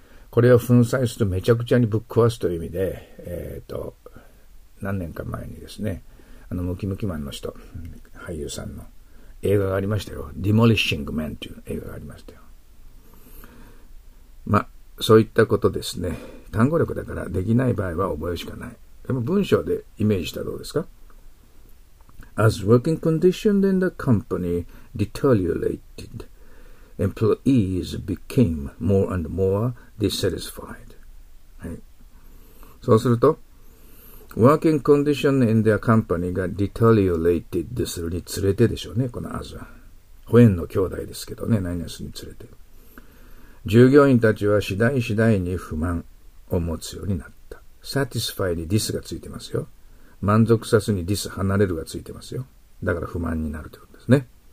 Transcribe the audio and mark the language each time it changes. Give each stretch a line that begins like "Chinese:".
Japanese: これを粉砕するとめちゃくちゃにぶっ壊すという意味で、何年か前にですね、あのムキムキマンの人、俳優さんの映画がありましたよ。 demolishing man という映画がありましたよ。まあ、そういったことですね。単語力だからできない場合は覚えるしかない。でも文章でイメージしたらどうですか？
English: As working conditions in the company deteriorated, employees became more and more dissatisfied.、はい、そうすると、 working conditions in their company が deteriorated するにつれてでしょうね、この as は。
Japanese: ホエンの兄弟ですけどね、何をするにつれて。従業員たちは次第に不満を持つようになった。 satisfy に dis がついてますよ。満足さずに dis 離れるがついてますよ。だから不満になるということですね。